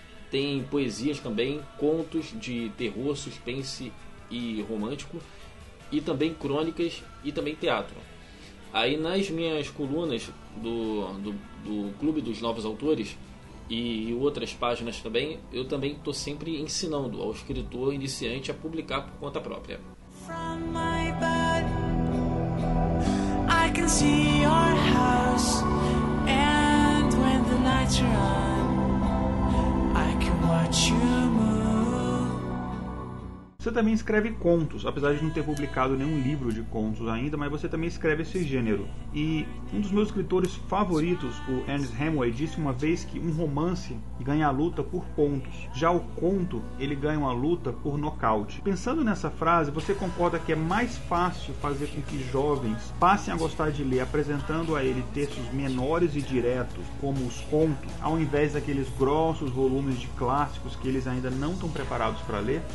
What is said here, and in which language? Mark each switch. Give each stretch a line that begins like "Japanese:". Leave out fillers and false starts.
Portuguese: Tem poesias também, contos de terror, suspense e romântico, e também crônicas e também teatro. Aí nas minhas colunas do Clube dos Novos Autores e outras páginas também, eu também estou sempre ensinando ao escritor iniciante a publicar por conta própria.
English: From my bed, I can see your house, and when the lights are on, I can watch you move.
Portuguese: Você também escreve contos, apesar de não ter publicado nenhum livro de contos ainda, mas você também escreve esse gênero. E um dos meus escritores favoritos, o Ernest Hemingway, disse uma vez que um romance ganha a luta por pontos. Já o conto, ele ganha uma luta por nocaute. Pensando nessa frase, você concorda que é mais fácil fazer com que jovens passem a gostar de ler, apresentando a ele textos menores e diretos, como os contos, ao invés daqueles grossos volumes de clássicos que eles ainda não estão preparados para ler?